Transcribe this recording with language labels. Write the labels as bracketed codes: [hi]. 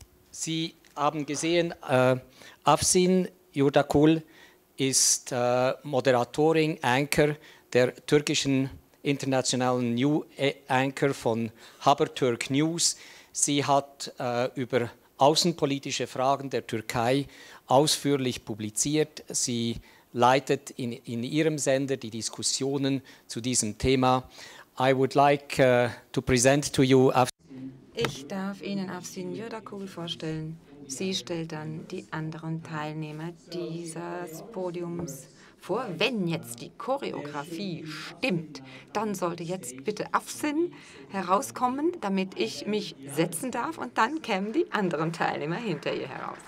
[de] Sie haben gesehen, Afsin Yurdakul ist Moderatorin, Anchor der türkischen internationalen New Anchor von Habertürk News. Sie hat über außenpolitische Fragen der Türkei ausführlich publiziert. Sie leitet in ihrem Sender die Diskussionen zu diesem Thema. [en] I would like to present to you Afsin. [de] Ich darf Ihnen Afsin Yurdakul vorstellen. Sie stellt dann die anderen Teilnehmer dieses Podiums vor. Wenn jetzt die Choreografie stimmt, dann sollte jetzt bitte Afsin herauskommen, damit ich mich setzen darf, und dann kämen die anderen Teilnehmer hinter ihr heraus.